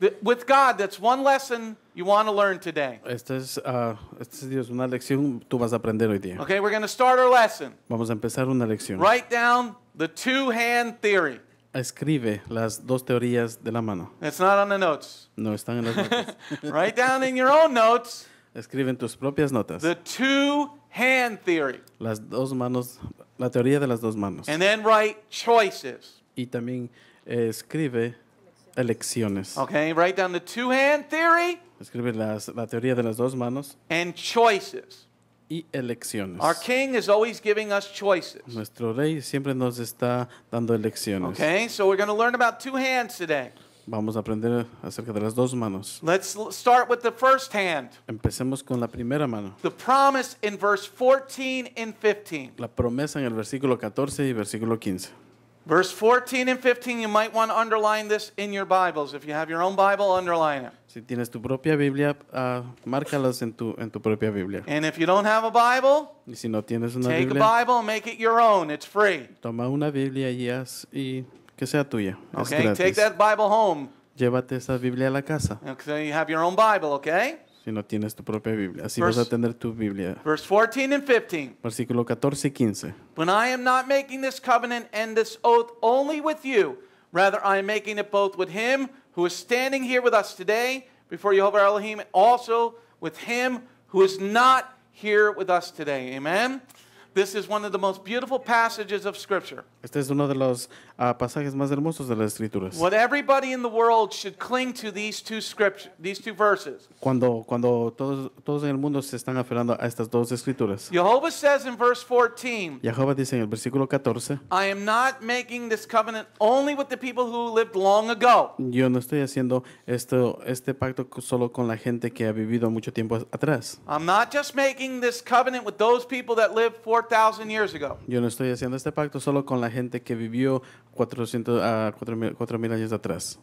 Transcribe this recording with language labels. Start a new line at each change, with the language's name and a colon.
English: With God, that's one lesson you want to learn today.
Spanish: Esta es una lección tú vas a aprender hoy día.
English: Okay, we're going to start our lesson.
Spanish: Vamos a empezar una lección.
English: Write down the two-hand theory.
Spanish: Escribe las dos teorías de la mano.
English: It's not on the notes.
Spanish: No, están en las notas.
English: Write down in your own notes.
Spanish: Escribe en tus propias notas.
English: The two-hand theory.
Spanish: Las dos manos, la teoría de las dos manos.
English: And then write choices.
Spanish: Y también escribe elecciones.
English: Okay, write down the two-hand theory.
Spanish: Escribe la teoría de las dos manos.
English: And choices.
Spanish: y elecciones.
English: Our king is always giving us choices.
Spanish: Nuestro rey siempre nos está dando elecciones.
English: Okay, so we're going to learn about two hands today.
Spanish: Vamos a aprender acerca de las dos manos.
English: Let's start with the first hand.
Spanish: Empecemos con la primera mano.
English: The promise in verse 14 and 15.
Spanish: La promesa en el versículo 14 y versículo 15.
English: Verse 14 and 15, you might want to underline this in your Bibles. If you have your own Bible, underline it.
Spanish: Si tienes tu propia Biblia, márcalas en tu propia Biblia.
English: And if you don't have a Bible,
Spanish: y si no tienes una
English: take
Spanish: Biblia,
English: a Bible and make it your own. It's free.
Spanish: Toma una Biblia y haz y que sea tuya.
English: Okay,
Spanish: es gratis.
English: Take that Bible home.
Spanish: Llévate esa Biblia a la casa.
English: Okay, you have your own Bible, okay?
Spanish: Si no tienes tu propia Biblia, así vas a tener tu Biblia.
English: Verse 14 and 15.
Spanish: Versículo 14 y 15.
English: When I am not making this covenant and this oath only with you, rather I am making it both with him who is standing here with us today before Yehovah Elohim, also with him who is not here with us today. Amen. This is one of the most beautiful passages of Scripture.
Spanish: Este es uno de los pasajes más hermosos de las Escrituras.
English: What everybody in the world should cling to these two scriptures, these two verses.
Spanish: Cuando todos en el mundo se están aferrando a estas dos Escrituras.
English: Jehovah says in verse 14.
Spanish: Jehová dice en el versículo 14.
English: I am not making this covenant only with the people who lived long ago.
Spanish: Yo no estoy haciendo este pacto solo con la gente que ha vivido mucho tiempo atrás.
English: I'm not just making this covenant with those people that lived 4,000 years ago.
Spanish: Yo no estoy haciendo este pacto solo con la gente que vivió 4,000 años atrás.